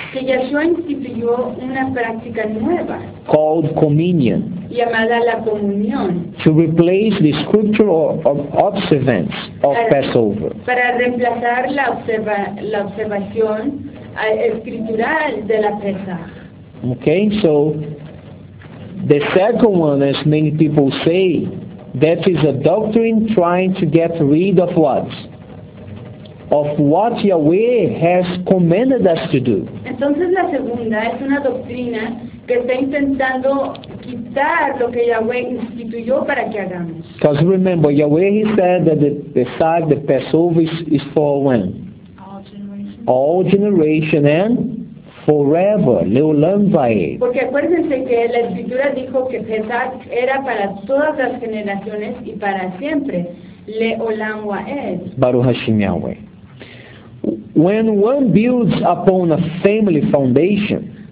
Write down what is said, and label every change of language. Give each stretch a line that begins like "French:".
Spanish: Que Yeshua instituyó una práctica nueva.
English: Called communion.
Spanish: Llamada la comunión.
English: To replace the scriptural observance of Passover.
Spanish: Para reemplazar la observación escritural de la Pesa.
English: Okay, so. The second one, as many people say, that is a doctrine trying to get rid of what? Of what Yahweh has commanded us to do.
Spanish: Entonces la segunda es una doctrina que está intentando quitar lo que Yahweh instituyó para que hagamos.
English: Because remember, Yahweh, he said that the Pesach, the Passover, is for when? All generation. All generation and? Forever,
Hebrew: Leolam Vayet.
Spanish: Porque acuérdense que la Escritura dijo que Pesach era para todas las generaciones y para siempre.
Hebrew: Leolam Vayet. Baruch Hashem Yahweh.
English: When one builds upon a family foundation.